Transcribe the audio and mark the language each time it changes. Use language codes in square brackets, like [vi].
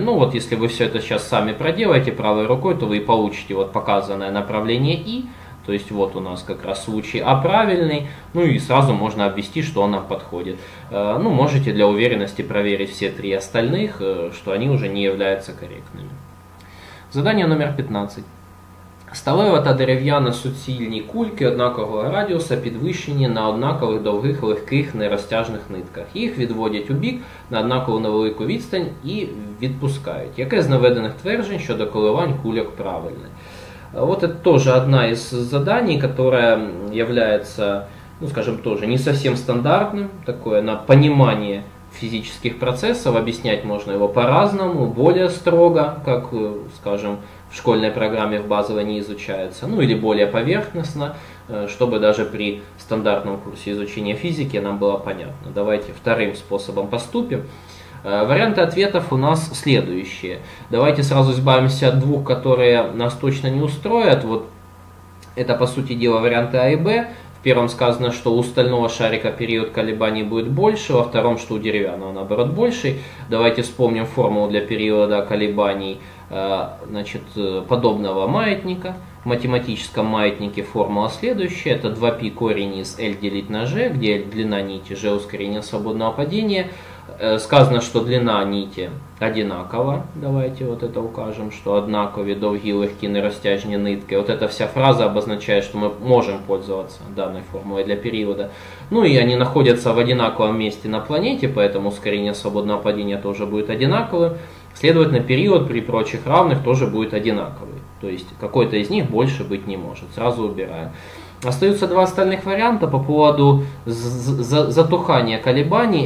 [ru] Ну вот, если вы все это сейчас сами проделаете правой рукой, то вы и получите вот показанное направление И. То есть вот у нас как раз случай А правильный, ну и сразу можно обвести, что она подходит. Ну, можете для уверенности проверить все три остальных, что они уже не являются корректными. Задание номер 15. [uk] Сталева та дерев'яна суцільні кульки однакового радіуса підвищені на однакових довгих легких нерозтяжних нитках. Їх відводять у бік на однакову невелику відстань і відпускають. Яке з наведених тверджень щодо коливань кульок правильне? [ru] Вот это тоже одна из заданий, которая является, ну скажем, тоже не совсем стандартным, такое на понимание физических процессов, объяснять можно его по-разному, более строго, как, скажем, в школьной программе в базовой не изучается, ну или более поверхностно, чтобы даже при стандартном курсе изучения физики нам было понятно. Давайте вторым способом поступим. Варианты ответов у нас следующие. Давайте сразу избавимся от двух, которые нас точно не устроят. Вот это, по сути дела, варианты А и Б. В первом сказано, что у стального шарика период колебаний будет больше, во втором, что у деревянного, наоборот, больше. Давайте вспомним формулу для периода колебаний, значит, подобного маятника. В математическом маятнике формула следующая. Это 2π корень из L делить на G, где L – длина нити, G – ускорение свободного падения. Сказано, что длина нити одинакова. Давайте вот это укажем, что [uk] однакові довгі легкі нерозтяжні нитки. [ru] Вот эта вся фраза обозначает, что мы можем пользоваться данной формулой для периода. Ну и они находятся в одинаковом месте на планете, поэтому ускорение свободного падения тоже будет одинаковым. Следовательно, период при прочих равных тоже будет одинаковый. То есть какой-то из них больше быть не может. Сразу убираем. Остаются два остальных варианта по поводу затухания колебаний.